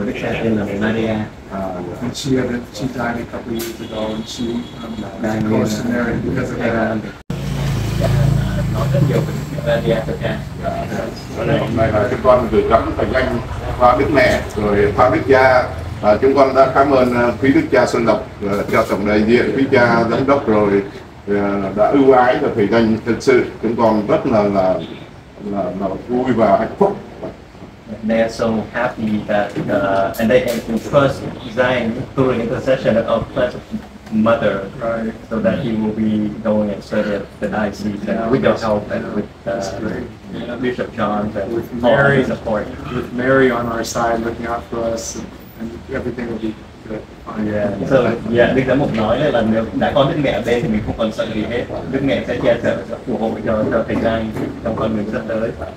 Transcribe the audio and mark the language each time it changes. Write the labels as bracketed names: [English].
[English] And she died a couple of years ago, and she was close to Mary because of that. [Vietnamese] Chúng con được gặp Thầy Danh, Khoa Đức Mẹ, rồi Khoa Đức Cha. Chúng con đã cảm ơn quý Đức Cha Xuân Lộc, cho tổng đại diện, quý Cha giám đốc rồi đã ưu ái cho Thầy Danh. Thật sự chúng con rất là vui và hạnh phúc. [English] They are so happy that and they have been first designed through intercession of Blessed Mother, right, so that he will be going and serving the diocese with your help and with Bishop John and with Mary support. With Mary on our side looking out for us, and everything will be good. Yeah. So yeah, [Vietnamese] Đức Giám Mục nói là nếu đã có Đức Mẹ ở đây thì mình không còn sợ gì hết. Đức Mẹ sẽ che chở, phù hộ cho thời gian trong con đường sắp tới.